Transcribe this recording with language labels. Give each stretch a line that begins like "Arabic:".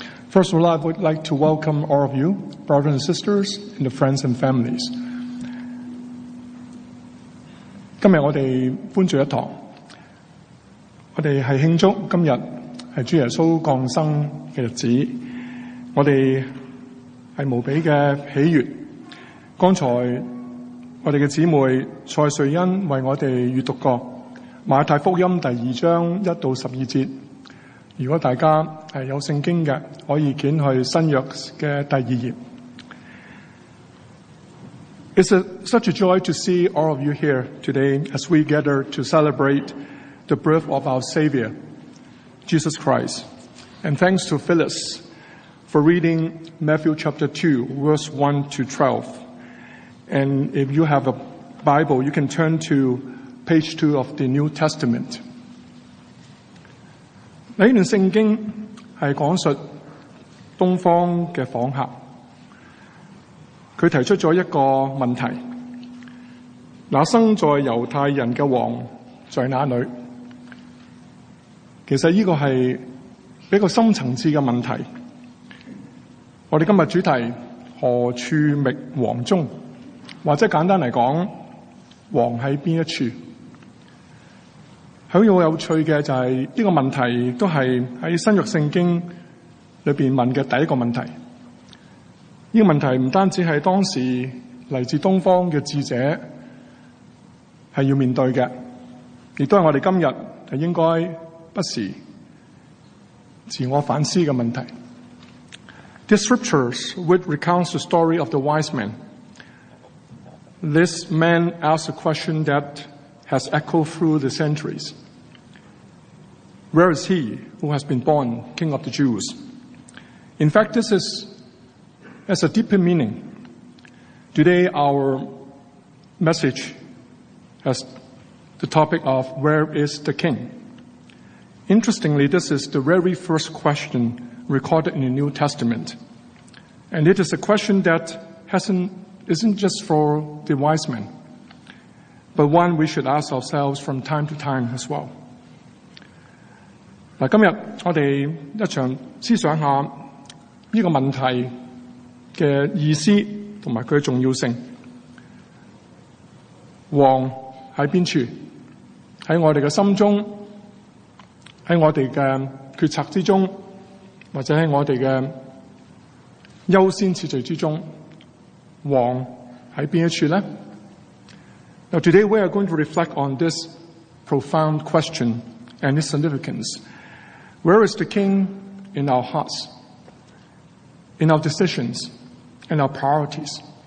English: First of all, I would like to welcome all of you, brothers and sisters, and the friends and families.
Chinese: 今日我们欢聚一堂，我们是庆祝今日是主耶稣降生的日子，我们是无比的喜悦。刚才我们的姊妹蔡瑞恩为我们阅读过马太福音第二章一到十二节，如果大家有圣经的可以卷去新约的第二页。
English: It's such a joy to see all of you here today as we gather to celebrate the birth of our Savior Jesus Christ, and thanks to Phyllis for reading Matthew chapter 2 verse 1 to 12. And if you have a Bible, you can turn to page 2 of the New Testament.
Chinese: 这段圣经是讲述东方的访客，他提出了一个问题，那生在犹太人的王在哪里？其实这个是比较深层次的问题。我们今天主题，何处觅王中，或者简单来讲，王在哪一处？很有趣的就是这个问题都是在新约圣经里面问的第一个问题。这个问题不单止是当时来自东方的智者是要面对的，也都是我们今天应该不时自我反思的问题。
English: The scriptures would recount the story of the wise man. This man asked a question that has echoed through the centuries. Where is he who has been born King of the Jews? In fact, this is has a deeper meaning. Today, our message has the topic of where is the king? Interestingly, this is the very first question recorded in the New Testament. And it is a question that isn't just for the wise men, but one we should ask ourselves from time to time as well.
Chinese: 今天我们一场思想下这个问题的意思和它的重要性。王在哪处？在我们的心中，在我们的决策之中，或者在我们的优先次序之中，王在哪一处呢？
English: Now today we are going to reflect on this profound question and its significance. Where is the king in our hearts, in our decisions, and our priorities?